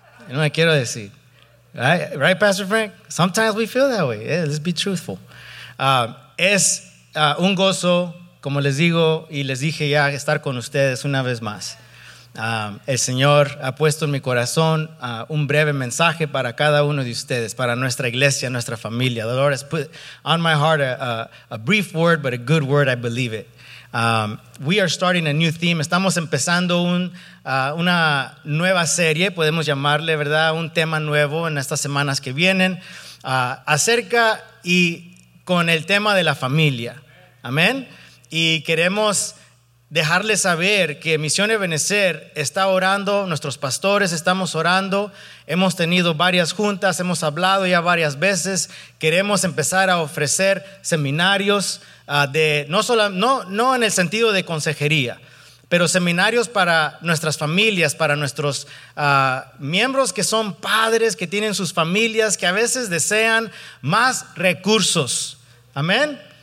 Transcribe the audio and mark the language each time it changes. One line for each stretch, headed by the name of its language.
Spanish: Y no me quiero decir.
English: Right, right, Pastor Frank? Sometimes we feel that way. Yeah, let's be truthful.
Spanish: Es un gozo, como les digo y les dije ya, estar con ustedes una vez más. El Señor ha puesto en mi corazón un breve mensaje para cada uno de ustedes, para nuestra iglesia, nuestra familia.
English: The Lord has put on my heart a brief word, but a good word, I believe it. We are starting a new theme.
Spanish: Estamos empezando una nueva serie, podemos llamarle, ¿verdad? Un tema nuevo en estas semanas que vienen, acerca y con el tema de la familia. Amén. Y queremos dejarles saber que Misión Ebenecer está orando, nuestros pastores estamos orando, hemos tenido varias juntas, hemos hablado ya varias veces, queremos empezar a ofrecer seminarios no en el sentido de consejería, pero seminarios para nuestras familias, para nuestros miembros que son padres, que tienen sus familias, que a veces desean más recursos. Amén.